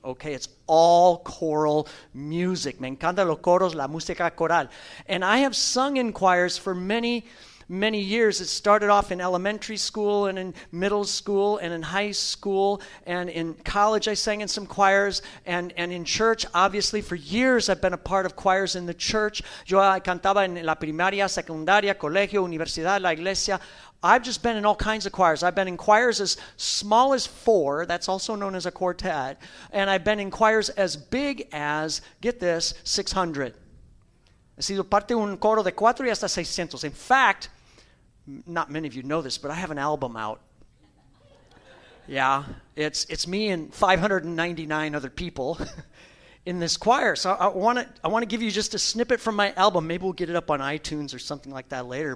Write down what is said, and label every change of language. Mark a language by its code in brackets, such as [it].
[en] Okay, it's all choral music. [es] Me encanta los coros, la música coral. [en] And I have sung in choirs for many, many years. It started off in elementary school and in middle school and in high school. And in college, I sang in some choirs. And in church, obviously, for years, I've been a part of choirs in the church. [es] Yo cantaba en la primaria, secundaria, colegio, universidad, la iglesia. [en] I've just been in all kinds of choirs. I've been in choirs as small as four. That's also known as a quartet. And I've been in choirs as big as, get this, 600. [es] He sido parte de un coro de cuatro y hasta 600. [en] In fact, not many of you know this, but I have an album out. Yeah, it's me and 599 other people in this choir. So I want to give you just a snippet from my album. Maybe we'll get it up on iTunes or something like that later.